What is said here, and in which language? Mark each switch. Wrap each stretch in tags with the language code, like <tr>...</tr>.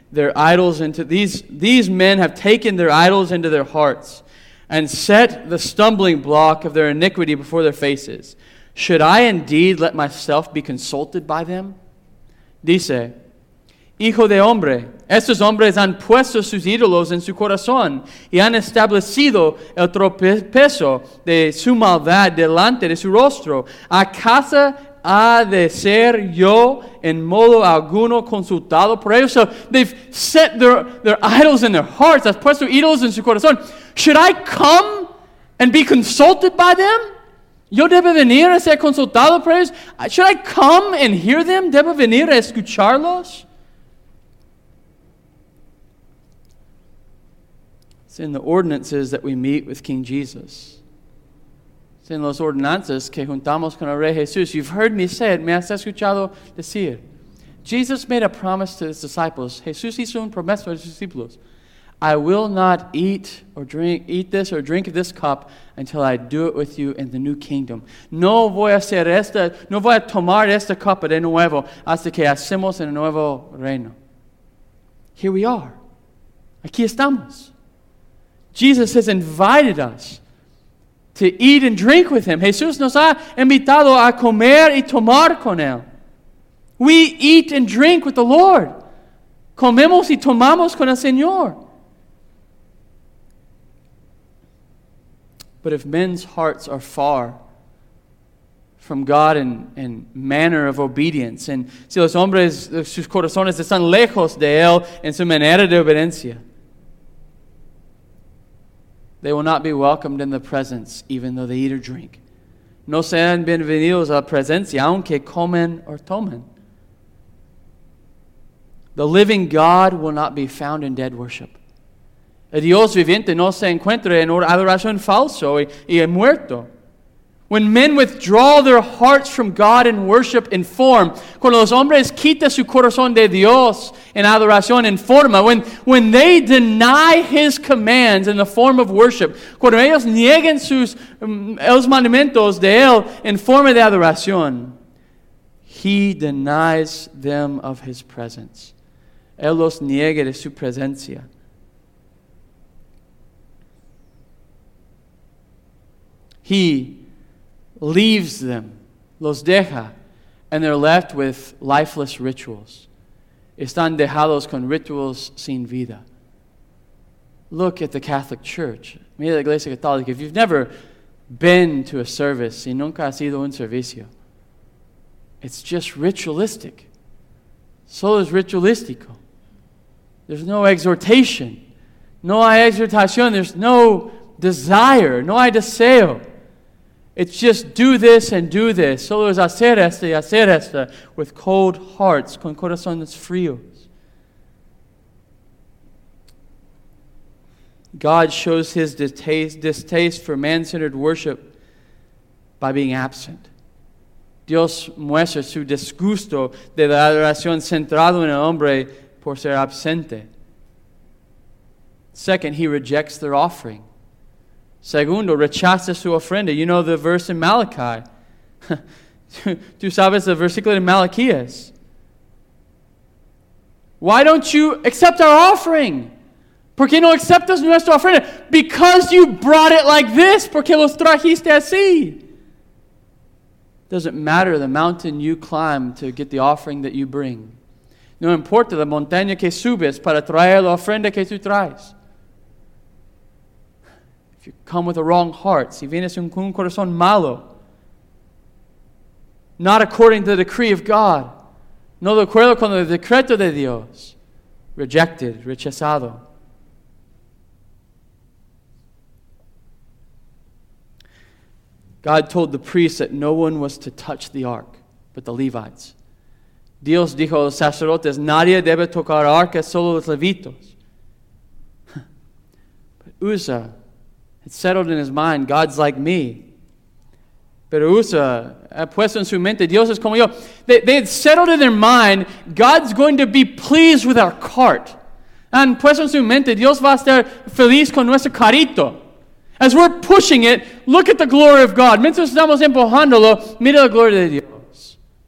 <en>their idols into these men have taken their idols into their hearts and set the stumbling block of their iniquity before their faces. Should I indeed let myself be consulted by them?</en> <es>Dice, Hijo de hombre, estos hombres han puesto sus ídolos en su corazón y han establecido el tropiezo de su maldad delante de su rostro. ¿Acaso ha de ser yo en modo alguno consultado por ellos?</es> <en>So they've set their idols in their hearts.</en> <es>Has puesto ídolos en su corazón.</es> <en>Should I come and be consulted by them?</en> <es>¿Yo debo venir a ser consultado por ellos?</es> <en>Should I come and hear them?</en> <es>¿Debo venir a escucharlos?</es> <en>It's in the ordinances that we meet with King Jesus. It's in</en> <es>los ordenanzas que juntamos con el Rey Jesús.</es> <en>You've heard me say it.</en> <es>¿Me has escuchado decir?</es> <en>Jesus made a promise to his disciples.</en> <es>Jesús hizo un promesa a sus discípulos.</es> <en>I will not eat this or drink this cup until I do it with you in the new kingdom.</en> <es>No voy a hacer esta, no voy a tomar esta copa de nuevo hasta que hacemos el nuevo reino.</es> <en>Here we are.</en> <es>Aquí estamos.</es> <en>Jesus has invited us to eat and drink with him.</en> <es>Jesús nos ha invitado a comer y tomar con él.</es> <en>We eat and drink with the Lord.</en> <es>Comemos y tomamos con el Señor.</es> <en>But if men's hearts are far from God and manner of obedience, and</en> <es>si los hombres, sus corazones están lejos de él en su manera de obediencia,</es> <en>they will not be welcomed in the presence, even though they eat or drink.</en> <es>No sean bienvenidos a la presencia, aunque comen o tomen.</es> <en>The living God will not be found in dead worship.</en> <es>El Dios viviente no se encuentra en adoración falso y muerto.</es> <en>When men withdraw their hearts from God in worship in form,</en> <es>cuando los hombres quitan su corazón de Dios en adoración en forma,</es> <en>when they deny his commands in the form of worship,</en> <es>cuando ellos niegan sus mandamientos de él en forma de adoración,</es> <en>he denies them of his presence.</en> <es>Él los niega de su presencia.</es> <en>He leaves them,</en> <es>los deja,</es> <en>and they're left with lifeless rituals.</en> <es>Están dejados con rituales sin vida.</es> <en>Look at the Catholic Church.</en> <es>Mira la Iglesia Católica.</es> <en>If you've never been to a service,</en> <es>y nunca has ido a un servicio,</es> <en>it's just ritualistic.</en> <es>Solo es ritualístico.</es> <en>There's no exhortation.</en> <es>No hay exhortación.</es> <en>There's no desire.</en> <es>No hay deseo.</es> <en>It's just do this and do this.</en> <es>Solo es hacer esto y hacer esto</es> <en>with cold hearts,</en> <es>con corazones fríos.</es> <en>God shows his distaste for man-centered worship by being absent.</en> <es>Dios muestra su disgusto de la adoración centrado en el hombre por ser absente.</es> <en>Second, he rejects their offering.</en> <es>Segundo, rechaza su ofrenda.</es> <en>You know the verse in Malachi.</en> <es>Tú sabes el versículo de Malaquías.</es> <en>Why don't you accept our offering?</en> <es>¿Por qué no aceptas nuestra ofrenda?</es> <en>Because you brought it like this.</en> <es>¿Por qué los trajiste así?</es> <en>Doesn't matter the mountain you climb to get the offering that you bring.</en> <es>No importa la montaña que subes para traer la ofrenda que tú traes.</es> <en>If you come with a wrong heart,</en> <es>si vienes con un corazón malo,</es> <en>not according to the decree of God,</en> <es>no de acuerdo con el decreto de Dios,</es> <en>rejected,</en> <es>rechazado.</es> <en>God told the priests that no one was to touch the ark but the Levites.</en> <es>Dios dijo a los sacerdotes, nadie debe tocar arca, solo los levitos.</es> <en>But Uzzah, it settled in his mind, God's like me.</en> <es>Pero Uzzah ha puesto en su mente, Dios es como yo.</es> <en>They had settled in their mind, God's going to be pleased with our cart.</en> <es>Han puesto en su mente, Dios va a estar feliz con nuestro carrito.</es> <en>As we're pushing it, look at the glory of God.</en> <es>Mientras estamos empujándolo, mira la gloria de Dios.</es>